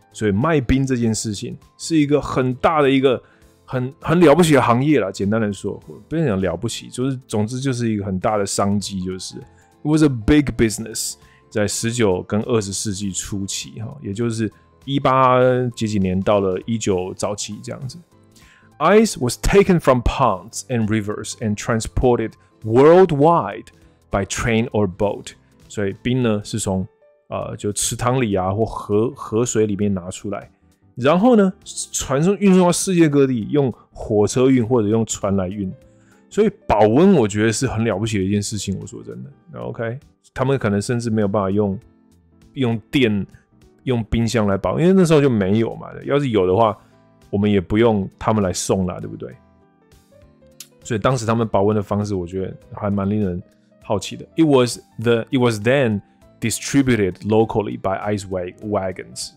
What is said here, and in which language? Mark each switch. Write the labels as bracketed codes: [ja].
[zh] 所以卖冰这件事情是一个很大的一个很了不起的行业啦，简单的说，不能讲了不起，就是总之就是一个很大的商机，就是 [en] It was a big business [zh] 在19跟20世纪初期，也就是18几年到了19早期这样子。 [en] Ice was taken from ponds and rivers and transported worldwide by train or boat. [zh] 所以冰呢是从就池塘里啊或河水里面拿出来，然后呢运送到世界各地，用火车运或者用船来运。所以保温我觉得是很了不起的一件事情，我说真的。 OK， 他们可能甚至没有办法用电用冰箱来保，因为那时候就没有嘛。要是有的话，我们也不用他们来送啦，对不对？所以当时他们保温的方式，我觉得还蛮令人好奇的。 [en] It was then distributed locally by ice wagons.